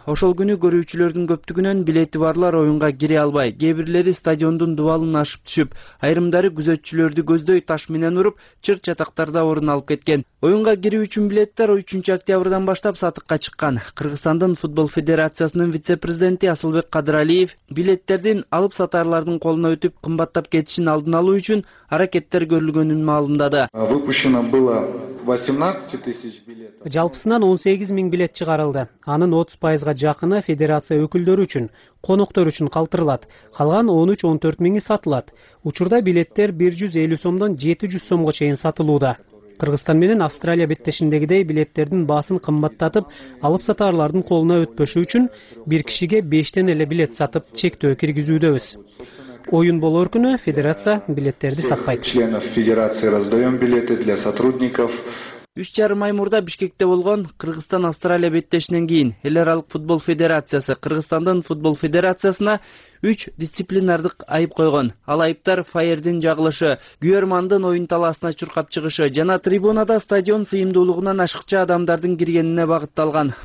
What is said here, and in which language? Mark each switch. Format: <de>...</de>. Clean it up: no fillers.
<ky>Ошол күнү көрүүчүлөрдүн көптүгүнөн билети барлар оюнга кире албай, кээ бирлери стадиондун дубалын ашып түшүп, айрымдары күзөтчүлөрдү көздөй таш менен уруп, чыр чатактарда орун алып кеткен. Оюнга кирүү үчүн билеттер 3 октябрдан баштап сатыкка чыккан. Кыргызстандын футбол федерациясынын вице-президенти Асылбек Кадыралиев билеттердин алып сатарлардын колуна өтүп кымбаттап кетишин алдын алуу үчүн аракеттер көрүлгөнүн маалымдады.</ky> <ru>Выпущено было 18 тысяч билетов.</ru> <ky>Жалпысынан 18 миң билет чыгарылды. Анын 30%га жакыны федерация өкүлдөрү үчүн, коноктор үчүн калтырылат. Калган 13-14 миңи сатылат. Учурда билеттер 150 сомдон 700 сомго чейин сатылууда. Кыргызстан менен Австралия беттешиндегидей билеттердин баасын кымбаттатып, алып сатарлардын колуна өтпөшү үчүн бир кишиге 5 эле билет сатып чектөө киргизүүдөбүз. Оюн болоор күнү федерация билеттерди сатпайт.</ky> <ru>Членов федерации раздаем билеты для сотрудников.</ru> <ky>3.5 ай мурда Бишкекте болгон Кыргызстан-Австралия беттешинен кийин Эл аралык футбол федерациясы Кыргызстандын футбол федерациясына 3 дисциплинардык айып койгон. Ал айыптар фаердин жагылышы, Гюермандын оюн талаасына чуркап чыгышы жана трибунада стадион сыйымдуулугунан ашыкча адамдардын киргенине багытталган.</ky>